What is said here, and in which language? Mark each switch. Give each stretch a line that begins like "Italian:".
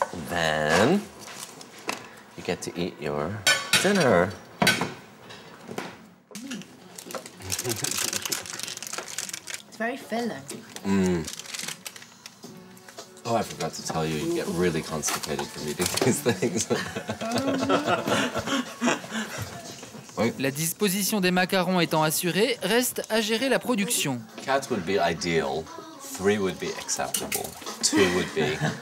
English: Then you get to eat your dinner. It's very filling. Oh, I forgot to tell you, you get really constipated from eating these things.
French: Oui. La disposition des macarons étant assurée, reste à gérer la production.
English: 4 would be ideal, 3 would be acceptable, 2 would be